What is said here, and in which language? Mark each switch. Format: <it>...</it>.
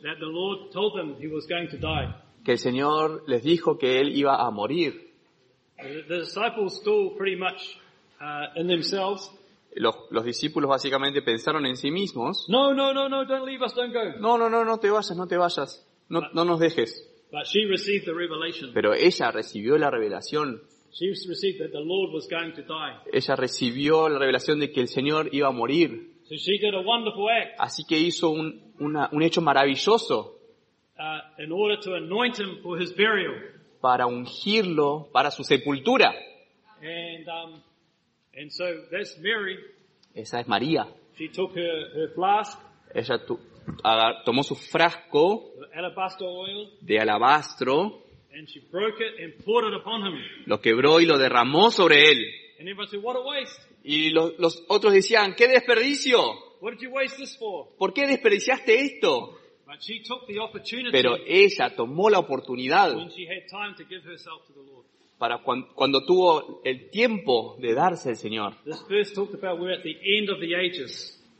<en>That the Lord told them he was going to die.</en> <es>Que el Señor les dijo que él iba a morir.</es> <en>The disciples still pretty much in themselves.</en> <es>Los discípulos básicamente pensaron en sí mismos.</es> <en>No, don't leave us, don't go.</en> <es>No te vayas. No nos dejes.</es> <en>But she received the revelation.</en> <es>Pero ella recibió la revelación.</es> <en>She received that the Lord was going to die.</en> <es>Ella recibió la revelación de que el Señor iba a morir.</es> <en>So she did a wonderful act.</en> <es>Así que hizo un hecho maravilloso.</es> <en>In order to anoint him for his burial.</en> <es>Para ungirlo para su sepultura.</es> <en>And so that's Mary.</en> <es>Esa es María.</es> <en>She took her flask.</en> <es>Ella tomó su frasco de alabastro,</es> <en>and she broke it and poured it upon him.</en> <es>Lo quebró y lo derramó sobre él.</es> <en>And everybody said, "What a waste!"</en> <es>Y los otros decían, ¡qué desperdicio!</es> <en>What did you waste this for?</en> <es>¿Por qué desperdiciaste esto?</es> <en>But she took the opportunity.</en> <es>Pero ella tomó la oportunidad</es> <en>when she had time to give herself to the Lord.</en> <es>Para cuando tuvo el tiempo de darse al Señor.</es> <en>This verse talked about we're at the end of the ages.</en>